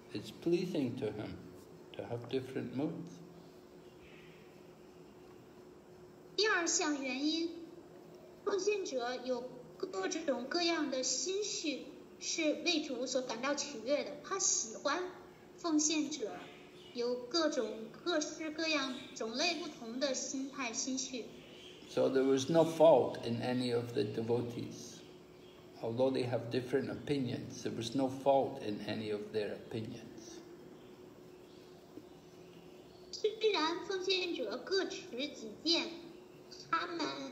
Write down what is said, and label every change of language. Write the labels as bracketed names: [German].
[English] It's pleasing to Him to have different moods. [Chinese] 第二项原因。奉献者有各种各样的心绪，是为主所感到喜悦的。他喜欢奉献者有各种各式各样种类不同的心态心绪。 [English] So there was no fault in any of the devotees, although they have different opinions. There was no fault in any of their opinions. [Chinese] 虽然奉献者各持己见，他们。